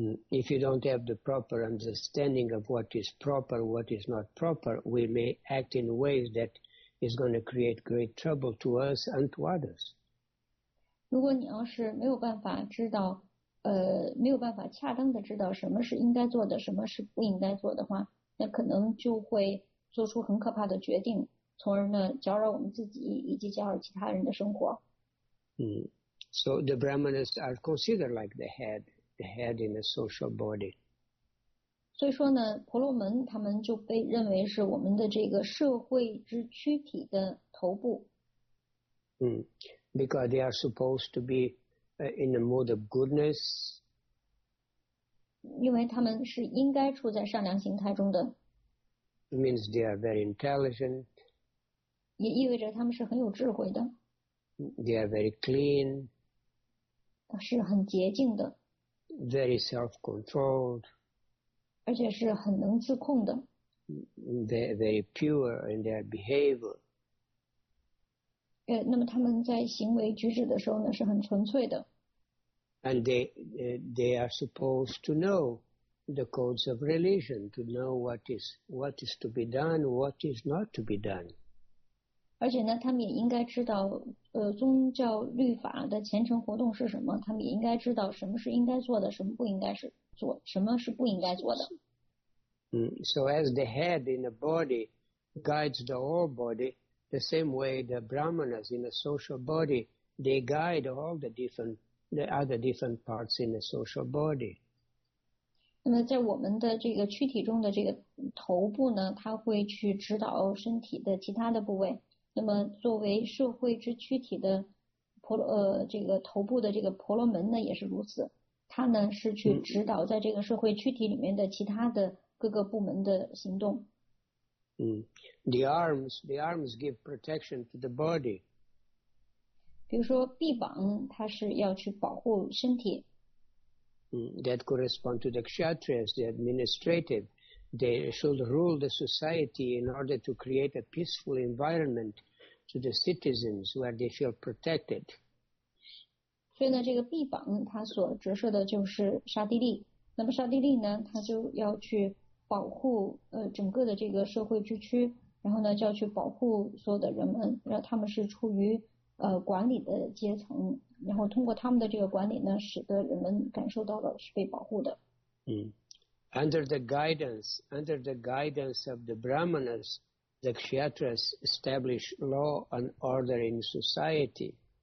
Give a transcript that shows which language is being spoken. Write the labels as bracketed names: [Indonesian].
[English] If you don't have the proper understanding of what is proper, what is not proper, we may act in ways that is going to create great trouble to us and to others. [Chinese] 如果你要是没有办法知道，没有办法恰当的知道什么是应该做的，什么是不应该做的话，那可能就会做出很可怕的决定，从而呢搅扰我们自己以及搅扰其他人的生活。 [English] So the Brahmanas are considered like the head in a social body. [Chinese] 所以说呢，婆罗门他们就被认为是我们的这个社会之躯体的头部。 [English] Because they are supposed to be in the mode of goodness. [Chinese] 因为他们是应该处在善良形态中的。 [English] It means they are very intelligent. [Chinese] 也意味着他们是很有智慧的。 [English] They are very clean. [Chinese] 是很洁净的 [English] ，very self-controlled， [Chinese] 而且是很能自控的 [English] ，very pure in their behavior。 [Chinese] 那么他们在行为举止的时候呢，是很纯粹的。 [English] And they are supposed to know the codes of religion, to know what is to be done, what is not to be done。 [Chinese] 而且呢，他们也应该知道，宗教律法的虔诚活动是什么？他们也应该知道什么是应该做的，什么不应该是做，什么是不应该做的。 [English] So as the head in the body guides the whole body, the same way the brahmanas in a social body they guide all the other different parts in a social body. [Chinese] 那么在我们的这个躯体中的这个头部呢，它会去指导身体的其他的部位。那么作为社会之躯体的这个头部的这个婆罗门呢也是如此，他呢是去指导在这个社会躯体里面的其他的各个部门的行动。 [English] The arms give protection to the body. [Chinese] 比如说臂膀它是要去保护身体。 [English] That correspond to the kshatriyas, the administrative. They should rule the society in order to create a peaceful environment to the citizens where they feel protected. [Chinese] 所以呢，这个臂膀它所折射的就是沙地利。那么沙地利呢，它就要去保护整个的这个社会之躯，然后呢就要去保护所有的人们，让他们是处于管理的阶层，然后通过他们的这个管理呢，使得人们感受到了是被保护的。 [English] Under the guidance of the Brahmanas, the Kshatriyas establish law and order in society.